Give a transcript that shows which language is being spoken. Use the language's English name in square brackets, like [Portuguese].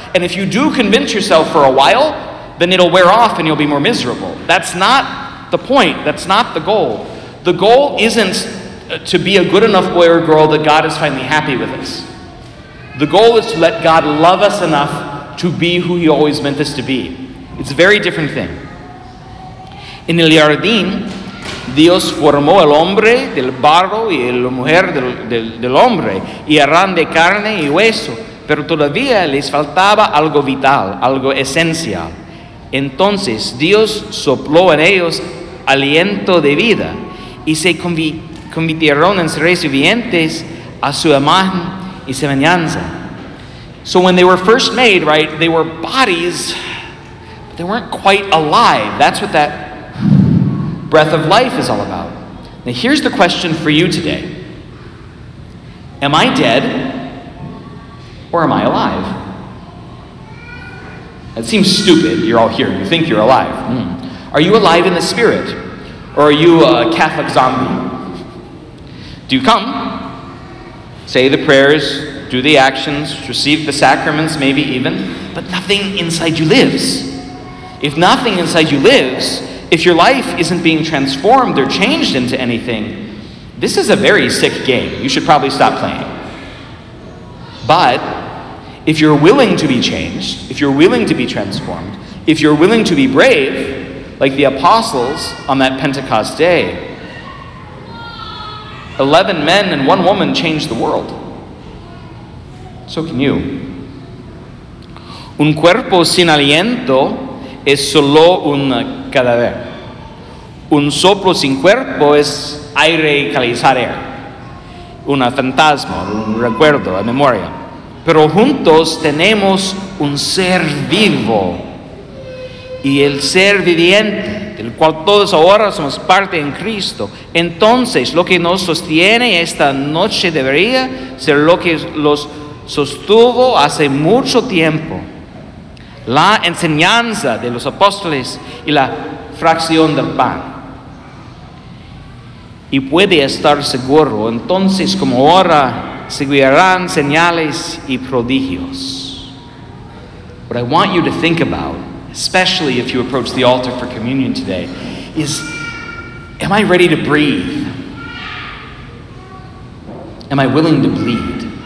[English] And if you do convince yourself for a while, then it'll wear off and you'll be more miserable. That's not the point. That's not the goal. The goal isn't to be a good enough boy or girl that God is finally happy with us. The goal is to let God love us enough to be who He always meant us to be. It's a very different thing. [Spanish] In el jardín, Dios formó el hombre del barro y la mujer del hombre, y harán de carne y hueso, pero todavía les faltaba algo vital, algo esencial. Entonces Dios sopló en ellos aliento de vida, y se convirtieron en seres vivientes a su imagen y semejanza. [English] So when they were first made, right, they were bodies, but they weren't quite alive. That's what that breath of life is all about. Now here's the question for you today. Am I dead or am I alive? That seems stupid. You're all here. You think you're alive. Are you alive in the spirit? Or are you a Catholic zombie? Do you come? Say the prayers, do the actions, receive the sacraments maybe even, but nothing inside you lives. If nothing inside you lives, if your life isn't being transformed or changed into anything, this is a very sick game. You should probably stop playing. But if you're willing to be changed, if you're willing to be transformed, if you're willing to be brave, like the apostles on that Pentecost day, 11 men and one woman changed the world. So can you. [Spanish] Un cuerpo sin aliento es solo un cadáver. Un soplo sin cuerpo es aire calizare, un fantasma, un recuerdo, la memoria. Pero juntos tenemos un ser vivo, y el ser viviente, del cual todos ahora somos parte en Cristo. Entonces, lo que nos sostiene esta noche debería ser lo que los sostuvo hace mucho tiempo: la enseñanza de los apóstoles y la fracción del pan. Y puede estar seguro, entonces como ahora, seguirán señales y prodigios. [English] What I want you to think about, especially if you approach the altar for communion today, is, am I ready to breathe? Am I willing to bleed?